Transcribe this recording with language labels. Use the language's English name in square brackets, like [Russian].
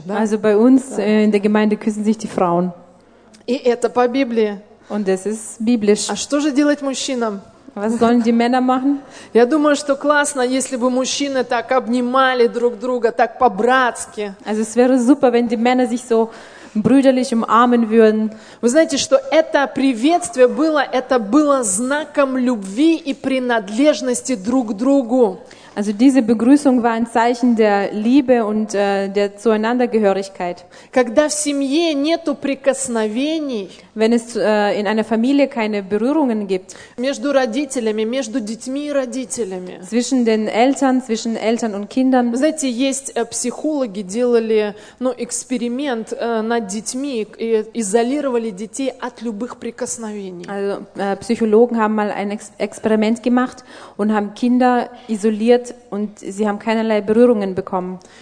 [Russian] Да? [German] Also bei uns in der Gemeinde küssen sich die Frauen. [Russian] И это по Библии. [German] Und das ist biblisch. [Russian] А что же делать мужчинам? [German] Was sollen die Männer machen? [Russian] Я думаю, что классно, если бы мужчины так обнимали друг друга, так по-братски. [German] Also es wäre super, wenn die Männer sich so brüderlich umarmen würden. [Russian] Вы знаете, что это приветствие было, это было знаком любви и принадлежности друг к другу. [German] Also diese Begrüßung war ein Zeichen der Liebe und der Zueinandergehörigkeit. [Russian] Когда в семье нету прикосновений, [German] wenn es in einer Familie keine Berührungen gibt, [Russian] между родителями, между детьми и родителями, [German] zwischen den Eltern, zwischen Eltern und Kindern. [Russian] Вы знаете, есть психологи делали, ну, эксперимент над детьми и изолировали детей от любых прикосновений. [German] Also Psychologen haben mal ein Experiment gemacht und haben Kinder isoliert und sie haben keinerlei Berührungen bekommen.